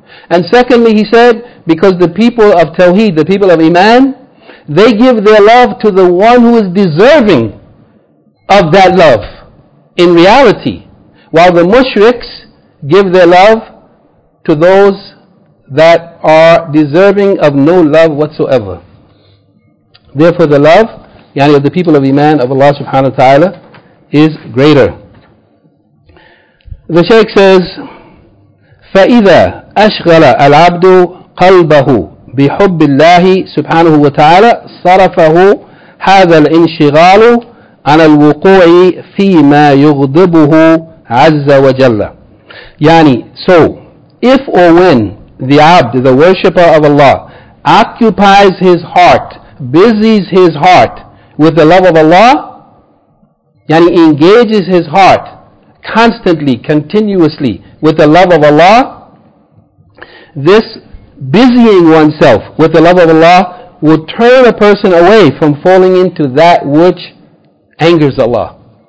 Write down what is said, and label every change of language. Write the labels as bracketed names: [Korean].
[English] And secondly, he said, because the people of Tawheed, the people of Iman, they give their love to the one who is deserving of that love in reality, while the mushriks give their love to those that are deserving of no love whatsoever. Therefore, the love, yani, of the people of Iman, of Allah subhanahu wa ta'ala, is greater. The Shaykh says, [Arabic] فَإِذَا أَشْغَلَ الْعَبْدُ قَلْبَهُ بِحُبِّ اللَّهِ سُبْحَانَهُ وَتَعَالَى صَرَفَهُ هَذَا الْإِنْشِغَالُ عَنَ الْوُقُوعِ فِي مَا يُغْضِبُهُ عَزَّ وَجَلَّ. [English] Yani, so, if or when the abd, the worshipper of Allah, occupies his heart, busies his heart with the love of Allah, yani, engages his heart constantly, continuously, with the love of Allah, this busying oneself with the love of Allah will turn a person away from falling into that which angers Allah.